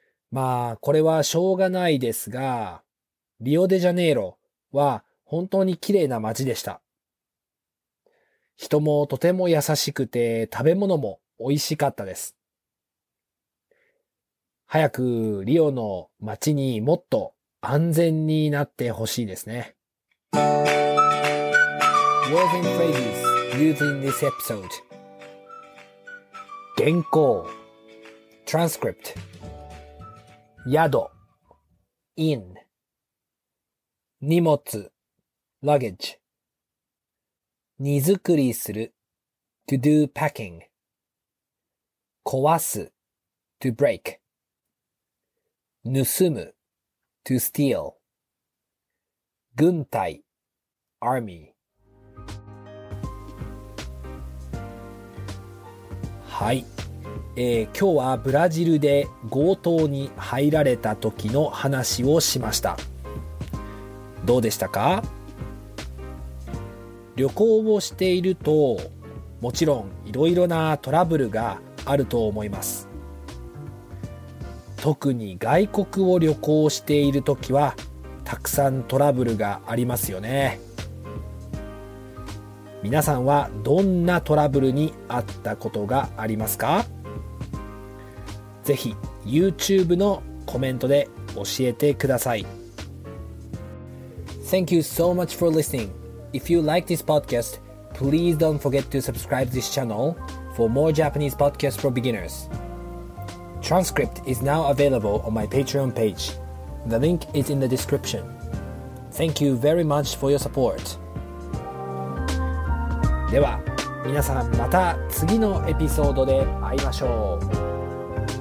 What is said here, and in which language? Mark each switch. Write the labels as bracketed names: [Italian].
[Japanese] まあこれはしょうがないですが、リオデジャネイロは本当に綺麗な街でした。人もとても優しくて食べ物も美味しかったです。早くリオの街にもっと安全になってほしいですね。 [English] Words and phrases used in this episode. 原稿 Transcript 宿 In 荷物 Luggage 荷造りする To do packing 壊す To break盗む to steal 軍隊 army。 [Japanese] はい、今日はブラジルで強盗に入られた時の話をしました。どうでしたか？旅行をしているともちろんいろいろなトラブルがあると思います。特に外国を旅行しているときはたくさんトラブルがありますよね。皆さんはどんなトラブルに遭ったことがありますか？ぜひ YouTube のコメントで教えてください。 [English] Thank you so much for listening. If you like this podcast, please don't forget to subscribe this channel for more Japanese podcasts for beginners. Transcript is now available on my Patreon page. The link is in the description. Thank you very much for your support. [Japanese] では皆さんまた次のエピソードで会いましょう。